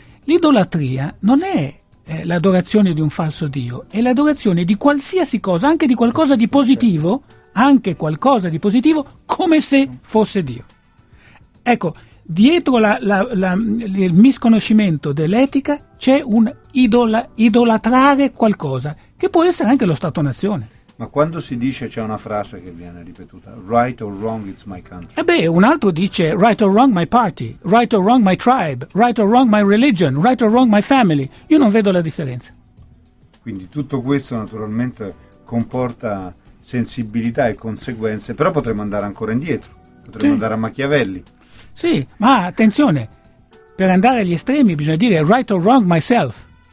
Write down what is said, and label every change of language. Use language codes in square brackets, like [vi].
[it] L'idolatria non è l'adorazione di un falso Dio, è l'adorazione di qualsiasi cosa, anche di qualcosa di positivo, anche qualcosa di positivo, come se fosse Dio. Ecco, dietro il misconoscimento dell'etica c'è un idolatrare qualcosa, che può essere anche lo Stato-Nazione. Ma quando si dice, c'è una frase che viene ripetuta, [en] right or wrong, it's my country. [it] Beh, un altro dice, [en] right or wrong, my party, right or wrong, my tribe, right or wrong, my religion, right or wrong, my family. [it] Io non vedo la differenza. Quindi tutto questo naturalmente comporta sensibilità e conseguenze, però potremmo andare ancora indietro, potremmo andare a Machiavelli. Sì, ma attenzione, per andare agli estremi bisogna dire [en] right or wrong, myself.